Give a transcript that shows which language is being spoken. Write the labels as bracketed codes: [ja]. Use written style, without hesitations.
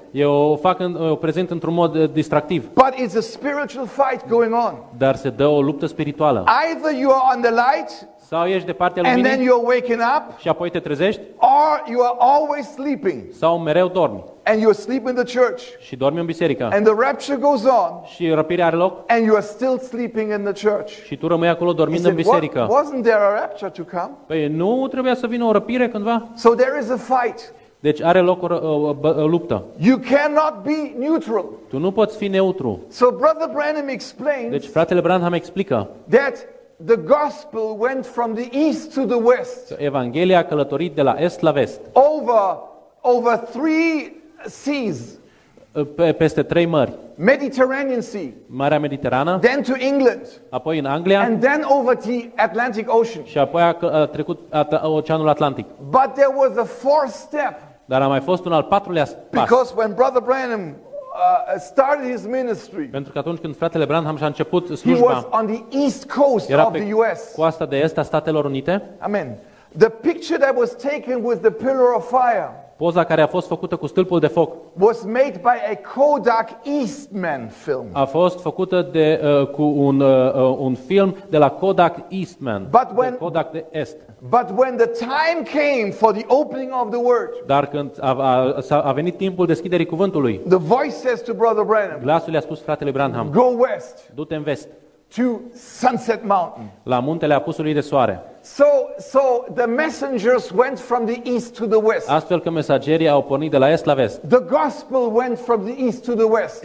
[ro] Eu o fac o prezent într-un mod distractiv. [en] But it's a spiritual fight going on. [ro] Dar se dă o luptă spirituală. [en] Either you are on the light. [ro] Sau ești de partea luminii. [en] And then you're waking up. [ro] Și apoi te trezești. [en] Or you are always sleeping. [ro] Sau mereu dormi. [en] And you're sleeping in the church. [ro] Și dormi în biserică. [en] And the rapture goes on. [ro] Și răpirea are loc. [en] And you are still sleeping in the church. [ro] Și tu rămâi acolo dormind în biserică. [en] Wasn't there a rapture to come? [ro] Păi nu trebuia să vină o răpire cândva? [en] So there is a fight. [ro] Deci are loc o luptă. [en] You cannot be neutral. [ro] Tu nu poți fi neutru. [en] So Brother Branham explains. [ro] Deci fratele Branham explică. [en] That the gospel went from the east to the west. [ro] Evanghelia a călătorit de la est la vest. [en] Over three seas. [ro] Peste trei mări. [en] Mediterranean Sea. [ro] Marea Mediterană. [en] Then to England. [ro] Apoi în Anglia. [en] And then over the Atlantic Ocean. [ro] Și apoi a trecut Oceanul Atlantic. [en] But there was a fourth step. [ro] Dar a mai fost un al patrulea pas. [en] Because when Brother Branham started his ministry. [ro] Pentru că atunci când fratele Branham și-a început slujba. [en] He was on the east coast [ro] era [en] of the US. [ro] Coasta de est a Statelor Unite. [en] Amen. The picture that was taken with the pillar of fire. [ro] Poza care a fost făcută cu stâlpul de foc. [en] Was made by a Kodak Eastman film. [ro] A fost făcută de cu un film de la Kodak Eastman. [en] But when [ro] de Kodak de est. [en] But when the time came for the opening of the word. [ro] Dar când a venit timpul deschiderii cuvântului. [en] The voice says to Brother Branham. [ro] Glasul i-a spus fratele Branham. [en] Go west. [ro] Du-te în vest. [en] To Sunset Mountain. [ro] La muntele apusului de soare. [en] So the messengers went from the east to the west. [ro] Astfel că mesagerii au pornit de la est la vest. [en] The gospel went from the east to the west.